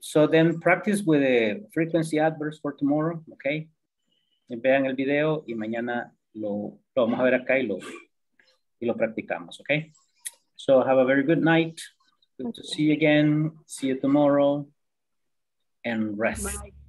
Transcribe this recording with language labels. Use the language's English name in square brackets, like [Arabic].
[English] So then practice with a frequency adverbs for tomorrow, okay? [Spanish] Vean el video y mañana lo vamos a ver acá y lo practicamos, okay? [English] So have a very good night. Good to see you again. See you tomorrow. And rest. Bye.